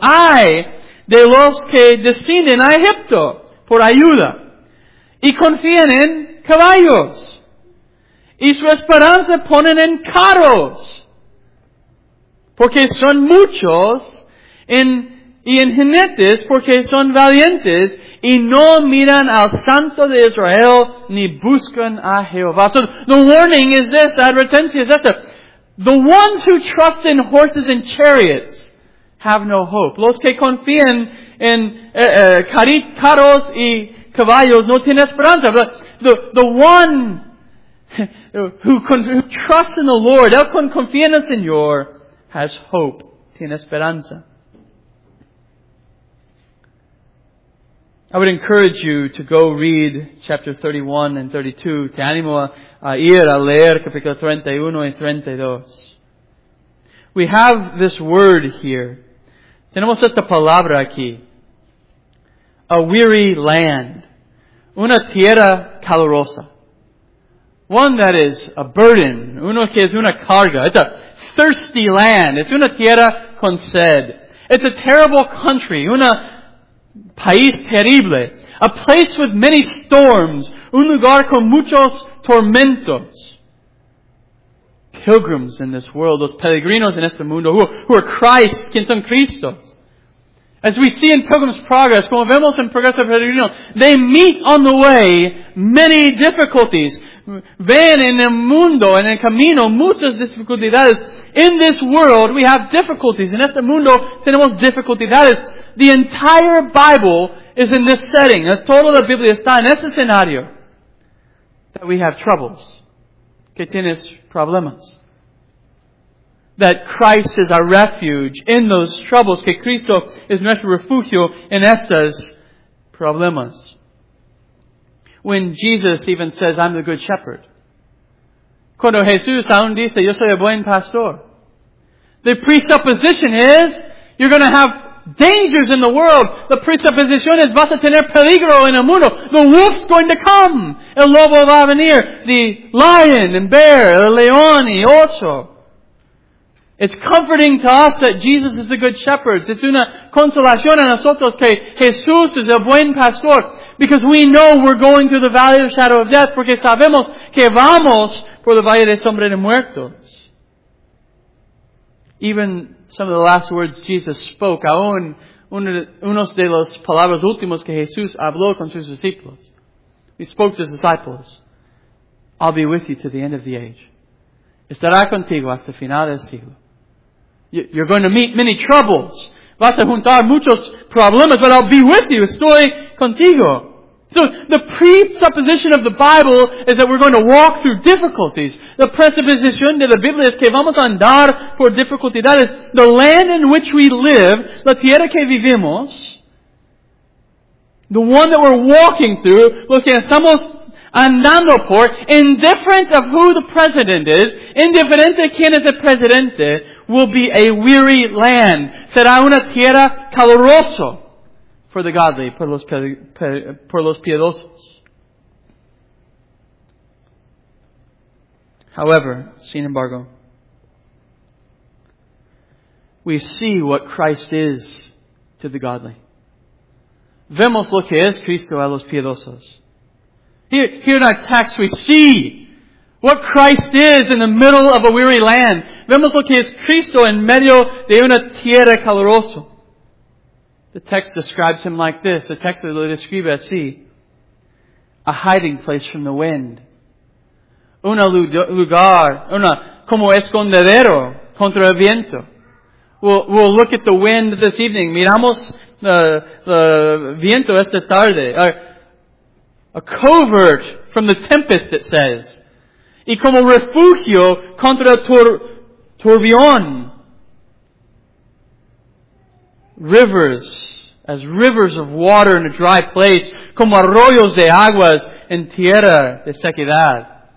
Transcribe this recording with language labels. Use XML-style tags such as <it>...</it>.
<es>Ay de los que descienden a Egipto por ayuda, y confían en caballos, y su esperanza ponen en carros, porque son muchos en jinetes, porque son valientes, y no miran al Santo de Israel, ni buscan a Jehová.</es> <en>So the warning is this, the</en> <es>advertencia is esta.</es> <en>The ones who trust in horses and chariots have no hope.</en> <es>Los que confían en carros y caballos no tienen esperanza.</es> <en>But the one who trusts in the Lord,</en> <es>el que confía en el Señor,</es> <en>has hope,</en> <es>tiene esperanza.</es> <en>I would encourage you to go read chapter 31 and 32.</en> <es>Te animo a ir a leer capítulo 31 y 32.</es> <en>We have this word here.</en> <es>Tenemos esta palabra aquí.</es> <en>A weary land.</en> <es>Una tierra calurosa.</es> <en>One that is a burden.</en> <es>Uno que es una carga.</es> <en>It's a thirsty land. It's</en> <es>una tierra con sed.</es> <en>It's a terrible country.</en> <es>Una país terrible.</es> <en>A place with many storms.</en> <es>Un lugar con muchos tormentos.</es> <en>Pilgrims in this world,</en> <es>los peregrinos en este mundo,</es> <en>who are Christ,</en> <es>quien son Cristos.</es> <en>As we see in Pilgrim's Progress,</en> <es>como vemos en Progreso del Peregrino,</es> <en>they meet on the way many difficulties.</en> <es>Ven en el mundo, en el camino, muchas dificultades.</es> <en>In this world, we have difficulties.</en> <es>En este mundo, tenemos dificultades.</es> <en>The entire Bible is in this setting.</en> <es>Toda la Biblia está en este escenario.</es> <en>That we have troubles.</en> <es>Que tienes problemas.</es> <en>That Christ is our refuge in those troubles.</en> <es>Que Cristo es nuestro refugio en estas problemas.</es> <en>When Jesus even says, I'm the good shepherd.</en> <es>Cuando Jesús aún dice, yo soy el buen pastor.</es> <en>The presupposition is, you're going to have dangers in the world. The presupposition is,</en> <es>vas a tener peligro en el mundo.</es> <en>The wolf's going to come.</en> <es>El lobo va a venir.</es> <en>The lion and bear,</en> <es>el león y oso.</es> <en>It's comforting to us that Jesus is the good shepherd.</en> <es>Es una consolación a nosotros que Jesús es el buen pastor.</es> <en>Because we know we're going through the valley of the shadow of death.</en> <es>Porque sabemos que vamos por el valle de sombra de muertos.</es> <en>Even some of the last words Jesus spoke,</en> <es>aún unos de las palabras últimas que Jesús habló con sus discípulos.</es> <en>He spoke to his disciples. I'll be with you to the end of the age.</en> <es>Estará contigo hasta el final del siglo.</es> <en>You're going to meet many troubles.</en> <es>Vas a juntar muchos problemas,</es> <en>but I'll be with you.</en> <es>Estoy contigo.</es> <en>So the presupposition of the Bible is that we're going to walk through difficulties. The presupposition</en> <es>de la Biblia es que vamos a andar por dificultades.</es> <en>The land in which we live,</en> <es>la tierra que vivimos,</es> <en>the one that we're walking through,</en> <es>lo que estamos andando por,</es> <en>indifferent of who the president is, indifferent</en> <es>de quién es el presidente,</es> <en>will be a weary land.</en> <es>Será una tierra calurosa.</es> <en>For the godly,</en> <es>por los piedosos.</es> <en>However,</en> <es>sin embargo,</es> <en>we see what Christ is to the godly.</en> <es>Vemos lo que es Cristo a los piedosos.</es> <en>Here in our text, we see what Christ is in the middle of a weary land.</en> <es>Vemos lo que es Cristo en medio de una tierra calurosa.</es> <en>The text describes him like this. The text</en> <es>lo describe así.</es> <en>A hiding place from the wind.</en> <es>Un lugar, como escondedero contra el viento.</es> <en>We'll look at the wind this evening.</en> <es>Miramos el viento esta tarde.</es> <en>A covert from the tempest, it says.</en> <es>Y como refugio contra el turbión.</es> <en>Rivers. As rivers of water in a dry place,</en> <es>como arroyos de aguas en tierra de sequedad.</es>